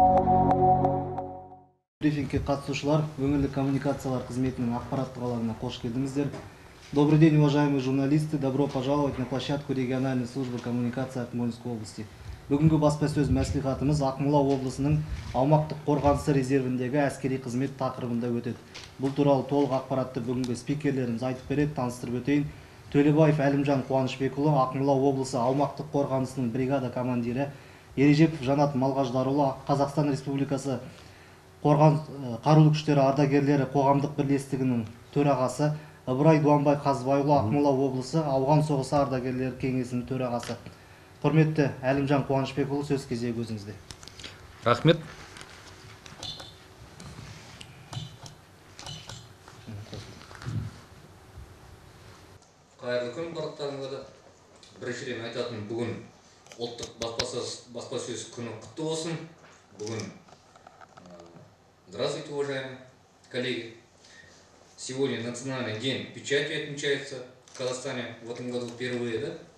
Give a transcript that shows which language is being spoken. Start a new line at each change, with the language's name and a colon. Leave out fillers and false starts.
Kazakh: брифинге қатысушылар, өңірлік коммуникациялар қызметінің ақпараттық алаңына қош келдіңіздер.
Russian: Добрый день, уважаемые журналисты, добро пожаловать на площадку региональной службы коммуникации Акмолинской области.
Kazakh: Бүгінгі баспасөз мәслихатымыз Ақмола облысының аумақтық қорғанысы резервіндегі әскери қызмет тақырыбында өтеді. Бұл туралы толық ақпаратты бүгінгі спикерлеріміз айтып береді, таныстырып өтейін. Төлебаев Әлімжан Қуанышбекұлы, Ақмола облысы аумақтық қорғанысының бригада командирі, Ережепов Жанат Малғаждарұлы, Қазақстан Республикасы қарулы күштері ардагерлері қоғамдық бірлестігінің төрағасы, Ыбырай Дуанбай Қазбайұлы, Ақмола облысы ауған соғысы ардагерлері кеңесінің төрағасы. Құрметті Әлімжан Қуанышбекұлы, сөз кезегі өзіңізде. Рахмет. Қайырлы күн барлықтарыңызға. Біріншіден айтатын, бүгін ұлттық баспасөз күні құтты болсын.
Russian: Бүгін здравствуйте, уважаемые коллеги. Сегодня национальный день печати отмечается в Казахстане в этом году впервые, да?